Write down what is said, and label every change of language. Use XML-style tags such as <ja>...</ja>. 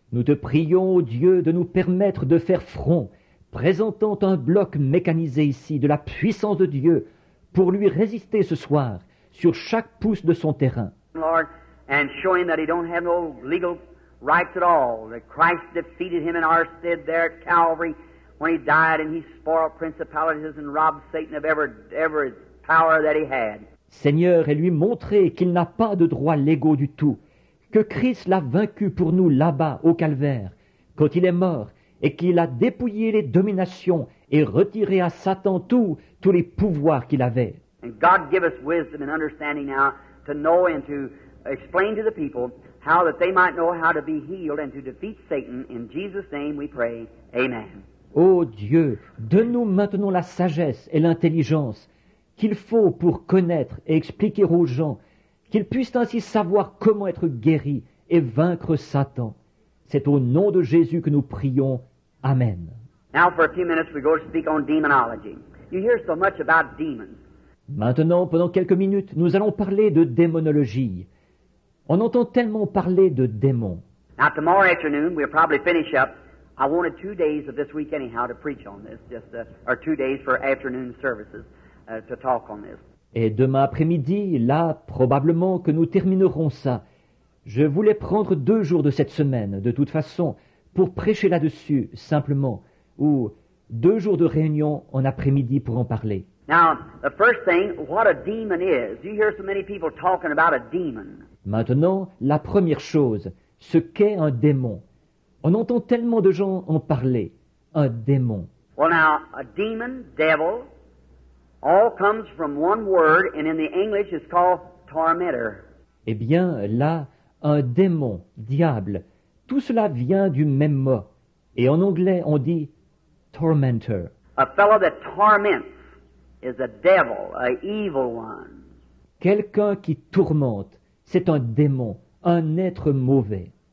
<fr>Nous te prions, ô Dieu, de nous permettre de faire front, présentant un bloc mécanisé ici de la puissance de Dieu pour lui résister ce soir sur chaque pouce de son terrain.</fr> <en>Lord, and show him that he don't have no legal rights at all, that Christ defeated him in our stead there at Calvary when he died and he spoiled principalities and robbed Satan of every power that he had.</en> <fr>Seigneur, et lui montrer qu'il n'a pas de droits légaux du tout, que Christ l'a vaincu pour nous là-bas au calvaire, quand il est mort, et qu'il a dépouillé les dominations et retiré à Satan tous les pouvoirs qu'il avait.</fr> <en>And God give us wisdom and understanding now to know and to explain to the people how that they might know how to be healed and to defeat Satan. In Jesus' name we pray. Amen.</en> <fr>Ô Dieu, donne-nous maintenant la sagesse et l'intelligence qu'il faut pour connaître et expliquer aux gens, qu'ils puissent ainsi savoir comment être guéris et vaincre Satan. C'est au nom de Jésus que nous prions. Amen.</fr> <en>Now for a few minutes we go to speak on demonology. You hear so much about demons.</en> <fr>Maintenant, pendant quelques minutes, nous allons parler de démonologie. On entend tellement parler de démons.</fr> <en>Now tomorrow afternoon, we'll probably finish up. I wanted 2 days of this week anyhow to preach on this, just or 2 days for afternoon services to talk on this.</en> <fr>Et demain après-midi, là, probablement que nous terminerons ça. Je voulais prendre 2 jours de cette semaine, de toute façon, pour prêcher là-dessus, simplement, ou 2 jours de réunion en après-midi pour en parler.</fr> <en>Now, the first thing, what a demon is. You hear so many people talking about a demon.</en> <fr>Maintenant, la première chose, ce qu'est un démon. On entend tellement de gens en parler, un démon.</fr> <en>Well, now, a demon, devil, all comes from one word, and in the English it's called tormentor.</en> <fr>Eh bien, là, un démon, diable, tout cela vient du même mot. Et en anglais, on dit tormentor.</fr> <en>A fellow that torments is a devil, a evil one.</en> <fr>Quelqu'un qui tourmente, c'est un démon, un être mauvais.</fr>